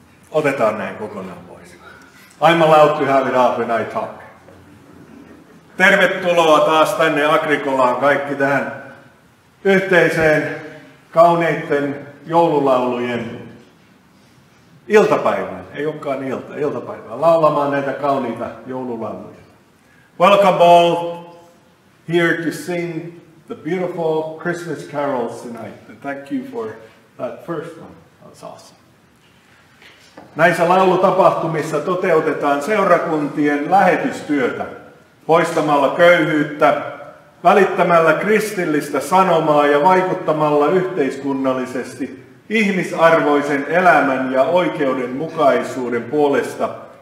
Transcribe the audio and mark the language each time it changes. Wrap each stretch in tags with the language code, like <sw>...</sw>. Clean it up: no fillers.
<fi>Otetaan näin kokonaan pois.</fi> <en>I'm allowed to have it up when I talk.</en> <fi>Tervetuloa taas tänne Agricolaan, kaikki tähän yhteiseen kauneitten joululaulujen iltapäivään. Ei olekaan iltapäivää. Laulamaan näitä kauniita joululauluja.</fi> <en>Welcome all here to sing the beautiful Christmas carols tonight. And thank you for that first one. That's awesome.</en> <fi>Näissä laulutapahtumissa toteutetaan seurakuntien lähetystyötä poistamalla köyhyyttä, välittämällä kristillistä sanomaa ja vaikuttamalla yhteiskunnallisesti ihmisarvoisen elämän ja oikeudenmukaisuuden puolesta.</fi>